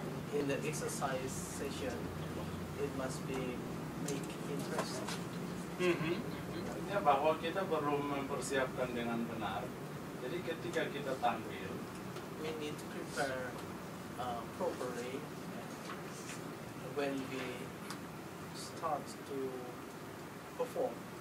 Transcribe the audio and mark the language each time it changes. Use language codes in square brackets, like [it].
[en] In the exercise session, it must be make interesting. [id] Artinya bahwa kita perlu mempersiapkan dengan benar. Jadi ketika kita tampil, [en] we need to prepare properly when we start to perform.